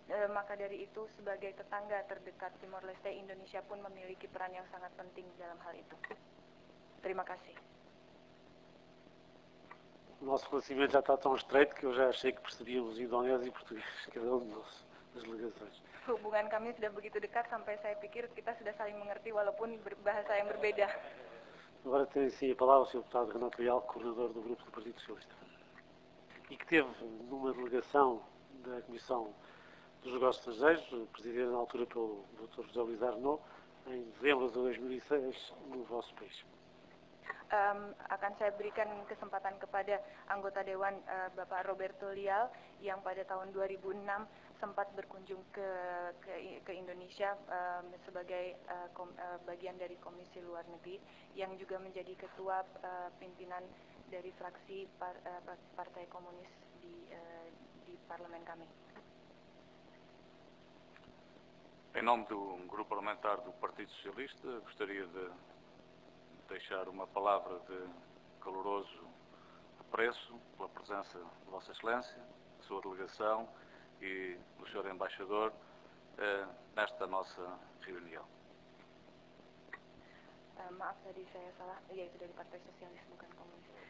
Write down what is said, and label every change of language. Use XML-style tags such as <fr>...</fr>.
<id>Maka dari itu sebagai tetangga terdekat Timor-Leste, Indonesia pun memiliki peran yang sangat penting dalam hal itu. Terima kasih.</id> <pt>O nosso conhecimento já está tão estreito que eu já achei que percebíamos indonésios e portugueses, cada um das ligações.</pt> <id>Hubungan kami sudah begitu dekat sampai saya pikir kita sudah saling mengerti walaupun bahasa yang berbeda.</id> <pt>Agora tem sim a palavra o Sr. Deputado Renato Leal, coordenador do Grupo do Partido Socialista. E que teve numa delegação da Comissão dos Negócios Estrangeiros, presidida na altura pelo Dr. José Luís Arnaud, em dezembro de 2006, no vosso país.</pt> <id>Akan saya berikan kesempatan kepada anggota dewan Bapak Roberto Leal yang pada tahun 2006 sempat berkunjung ke Indonesia sebagai bagian dari Komisi Luar Negeri yang juga menjadi ketua pimpinan dari fraksi Partai Komunis di parlemen kami.</id> <pt>Em nome do grupo parlamentar do Partido Socialista, gostaria de deixar uma palavra de caloroso apreço pela presença de Vossa Excelência, de sua delegação e do Sr. Embaixador nesta nossa reunião.</pt> <id>Maaf tadi saya salah, yaitu dari Partai Sosialis bukan Komunis.</id>